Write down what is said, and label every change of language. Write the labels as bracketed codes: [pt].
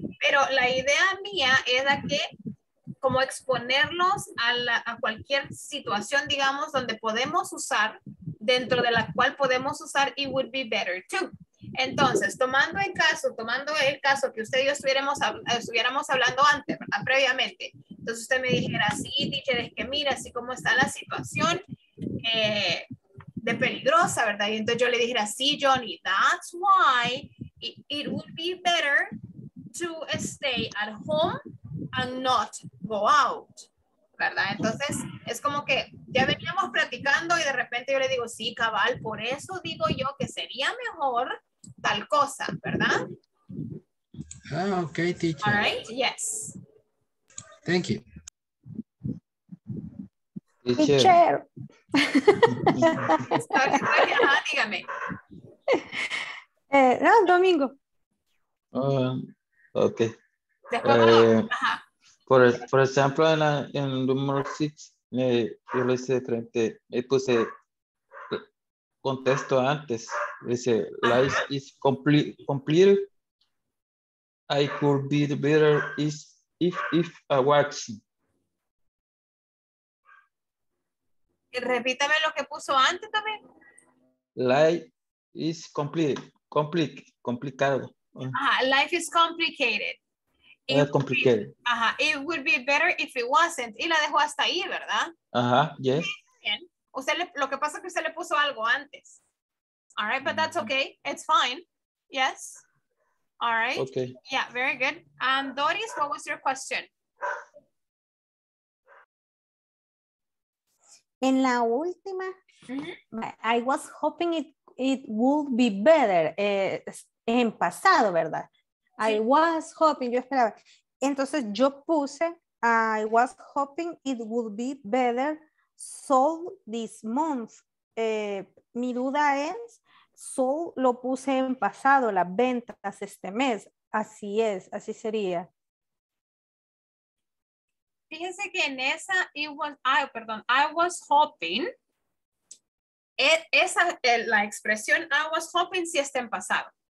[es] Pero la idea mía es a que, como exponerlos a cualquier situación, digamos, donde podemos usar, dentro de la cual podemos usar, [en] it would be better too. [es] Entonces, tomando el caso que usted y yo estuviéramos hablando antes, ¿verdad? Previamente, entonces usted me dijera, sí, teacher, es que mira, así como está la situación de peligrosa, ¿verdad? Y entonces yo le dijera, sí, Johnny, [en] that's why it would be better to stay at home and not go out, ¿verdad? [es] Entonces, es como que ya veníamos platicando y de repente yo le digo, sí, cabal, por eso digo yo que sería mejor tal cosa, ¿verdad? [en] Ah, okay, teacher. All right, yes. Thank you. Teacher. [es] Dígame. No, domingo. [en] Okay. [es] Por ejemplo, en el número 6, yo le hice frente, le puse contexto antes. [en] Dice, life is complete. I could be the better if I watch. [es] Repítame lo que puso antes también. [en] Life is complicado. Life is complicated. Complicated. It would be better if it wasn't. [es] Y la dejó hasta ahí, ¿verdad? [en] Ajá, yes. [es] Bien. Usted le, lo que pasa es que usted le puso algo antes. [en] All right, but that's okay. It's fine. Yes. All right. Okay. Yeah, very good. Doris, what was your question? [es] En la última, [en] I was hoping it would be better, [es] en pasado, ¿verdad? Sí. [en] I was hoping, [es] yo esperaba. Entonces yo puse, [en] I was hoping it would be better sold this month. [es] Mi duda es, sold lo puse en pasado, las ventas este mes. Así es, así sería. Fíjense que en esa, [en] I was hoping, [es] esa, la expresión I was hoping si está en pasado.